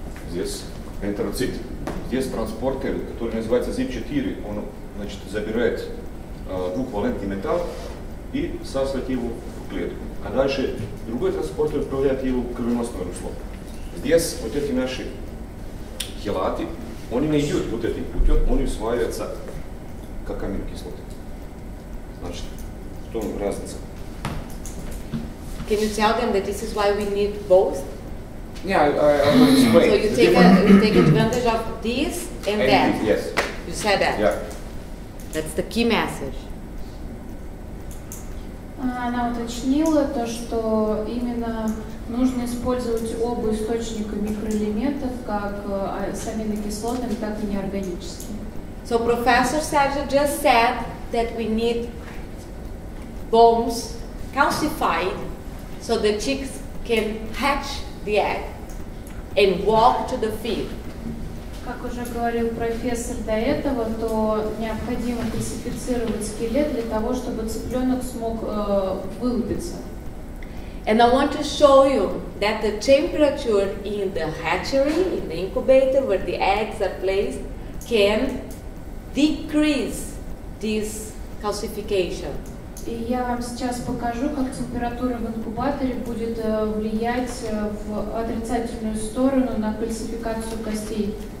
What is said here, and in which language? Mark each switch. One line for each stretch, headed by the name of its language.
Russian: Здесь энтероцит, здесь транспортер, который называется ZIP-4, он, значит, забирает двухвалентный металл и сосет его в клетку. А дальше другой транспортер отправляет его в кровеносное русло. Здесь вот эти наши хелаты, они не идут вот этим путем, они усваиваются как аминокислоты. Значит, в том разница.
English: Can you tell them that this is why we need both? Yeah, I will explain. So you take, you take advantage of this and that? Yes. You said that? Yeah. That's the key message.
Russian: Она уточнила то, что именно нужно использовать оба источника микроэлементов, как с аминокислотами, так и неорганическими.
English: So Professor Sergio just said that we need bones calcified so the chicks can hatch the egg and walk to the feed.
Russian: Как уже говорил профессор до этого, то необходимо классифицировать скелет для того, чтобы цыпленок смог вылупиться.
English: And I want to show you that the temperature in the hatchery, in the incubator where the eggs are placed, can decrease this calcification.
Russian: И я вам сейчас покажу, как температура в инкубаторе будет влиять в отрицательную сторону на кальцификацию костей.